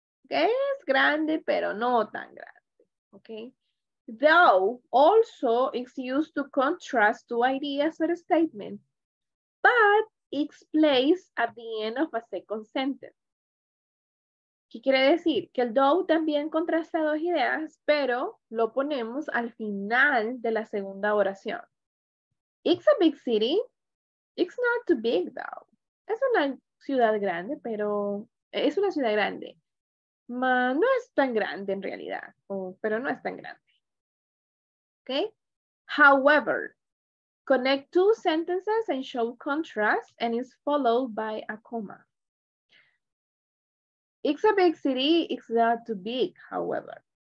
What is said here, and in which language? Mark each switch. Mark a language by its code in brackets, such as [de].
[es] Es grande, pero no tan grande. Okay. [en] Though also it's used to contrast two ideas or a statement, but it's placed at the end of a second sentence. [es] ¿Qué quiere decir? Que el though también contrasta dos ideas, pero lo ponemos al final de la segunda oración. [en] It's a big city. It's not too big though. [es] Es una ciudad grande, pero es una ciudad grande. Ma, no es tan grande en realidad, pero no es tan grande. [en] Okay? However, connect two sentences and show contrast and is followed by a comma. It's a big city, it's not too big, however.